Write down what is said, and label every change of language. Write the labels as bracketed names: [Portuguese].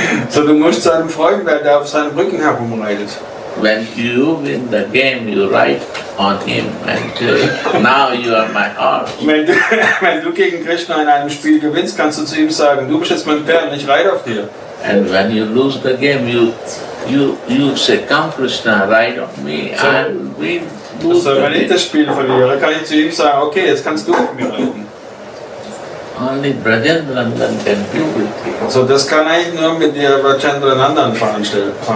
[German] So du musst zu einem Freund werden, der auf seinem Rücken herumreitet. [English] When you win the game, you ride on him until now you are my horse. [German] Wenn du gegen Krishna in einem Spiel gewinnst, kannst du zu ihm sagen, du bist jetzt mein Pferd, ich reite auf dir. [English] And when you lose the game, you say, come Krishna, ride on me. So, I win. [German] So, wenn ich das Spiel verliere, kann ich zu ihm sagen, okay, jetzt kannst du mit mir reiten. [English] Only Vrajendra Nandan can be with you. [German] So, das kann ich nur mit dir Vrajendra Nandan veranstalten.